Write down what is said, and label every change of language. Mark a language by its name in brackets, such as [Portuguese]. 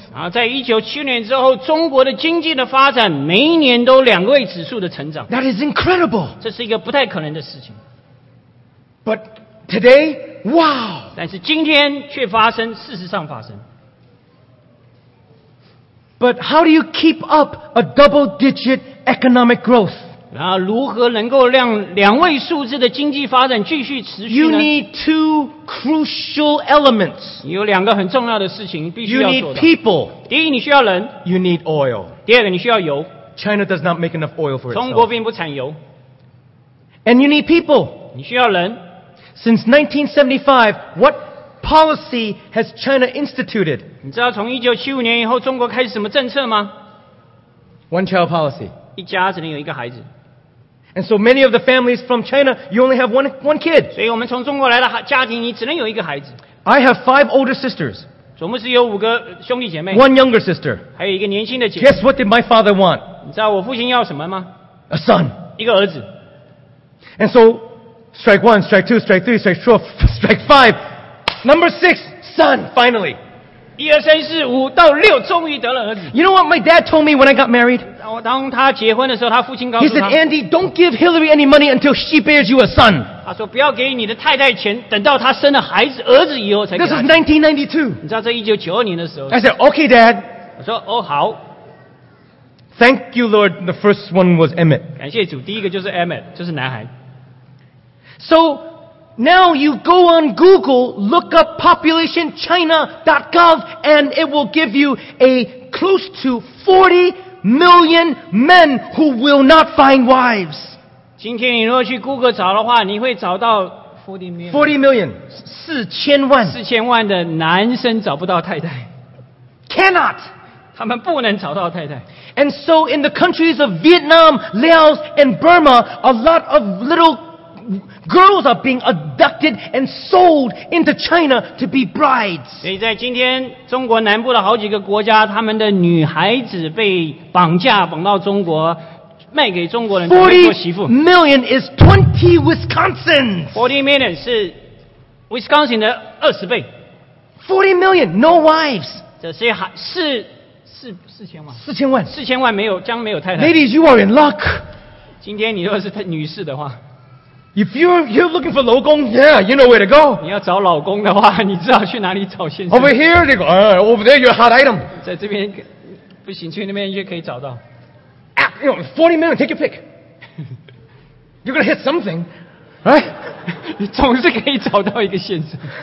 [Chinese] 然后在1970年之后，中国的经济的发展每一年都2位数的成长。 [English] That is incredible. [Chinese] 这是一个不太可能的事情。But [English] today, wow. [Chinese] 但是今天却发生，事实上发生。But [English] how do you keep up a double-digit economic growth? [Chinese] 然后如何能够让2位数字的经济发展继续持续呢? [English] You need two crucial elements. [Chinese] 你有2个很重要的事情必须要做到。 [English] You need people. [Chinese] 第一,你需要人。 [English] You need oil. [Chinese] 第二个,你需要油。 [English] China does not make enough oil for itself. [Chinese] 中国并不产油。 [English] And you need people. [Chinese] 你需要人。 [English] Since 1975, what policy has China instituted? [Chinese] 你知道从1975年以后中国开始什么政策吗？ [English] One child policy. [Chinese] 一家只能有一个孩子。 [English] And so many of the families from China, you only have one kid. [Chinese] 所以我们从中国来的家庭，你只能有一个孩子。 [English] I have five older sisters. [Chinese] 总共是有五个兄弟姐妹。 [English] One younger sister. [Chinese] 还有一个年轻的姐妹。 [English] Guess what did my father want? [Chinese] 你知道我父亲要什么吗？ [English] A son. [Chinese] 一个儿子。 [English] And so, strike one, strike two, strike three, strike four, strike five. Number six, son, finally. [Chinese] 一二三四五到六，终于得了儿子。 [English] You know what my dad told me when I got married? [Chinese] 当他结婚的时候，他父亲告诉他。 [English] He said, Andy, don't give Hillary any money until she bears you a son. [Chinese] 他说不要给你的太太钱，等到她生了孩子儿子以后才给 [English] 他。This is 1992. [Chinese] 你知道这1992年的时候。 [English] I said, okay, Dad. [Chinese] 我说哦好。 [English] Thank you, Lord. The first one was Emmett. [Chinese] 感谢主，第一个就是 Emmett， 就是男孩。 [English] So now you go on Google, look up populationchina.gov, and it will give you a close to 40 million men who will not find wives. [Chinese] 今天你如果去 Google 找的话，你会找到 [English] 40 million [Chinese] 4000万的男生找不到太太。 [English] Cannot. [Chinese] 他们不能找到太太。 [English] And so in the countries of Vietnam, Laos, and Burma, a lot of littlegirls are being abducted and sold into China to be brides. [Chinese] 所以在今天中国南部的好几个国家，他们的女孩子被绑架，绑到中国，卖给中国人做媳妇。 [English] 40 million is 20 Wisconsins. 40 million [Chinese] 是 Wisconsin 的20倍。 [English] 40 million, no wives. [Chinese] 这些孩是4000万。 4000万没有，将没有太太。 [English] Ladies, you are in luck. [Chinese] 今天你若是女士的话。 [English] If you're looking for 老公 yeah, you know where to go. [Chinese] 你要找老公的话，你知道去哪里找先生。 [English] Over here, they go. Over there, your hot item. [Chinese] 在这边不行，去那边就可以找到。 [English] You know, 40 million, take your pick. You're gonna hit something, right? [Chinese] 你总是可以找到一个先生。